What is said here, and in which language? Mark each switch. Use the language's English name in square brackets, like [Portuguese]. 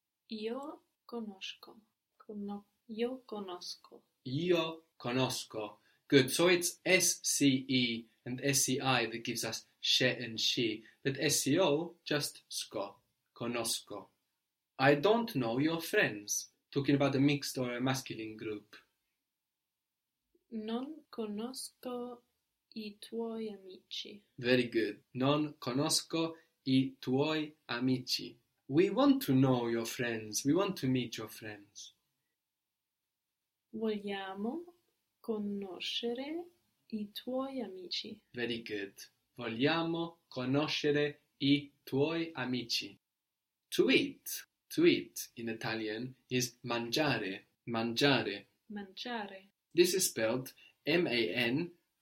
[Italian] Io conosco. Io conosco. Io conosco. Good. [English] So it's S-C-E and S-E-I that gives us she and she. But S-E-O, just sco. Conosco. I don't know your friends. Talking about a mixed or a masculine group. [Italian] Non conosco I tuoi amici. [English] Very good. [Italian] Non conosco I tuoi amici. [English] We want to know your friends. We want to meet your friends. [Italian] Vogliamo conoscere I tuoi amici. [English] Very good. [Italian] Vogliamo conoscere I tuoi amici. [English] To eat in Italian is mangiare, mangiare. [Italian] Mangiare. [English] This is spelled M-A-N-G-I-A-R-E.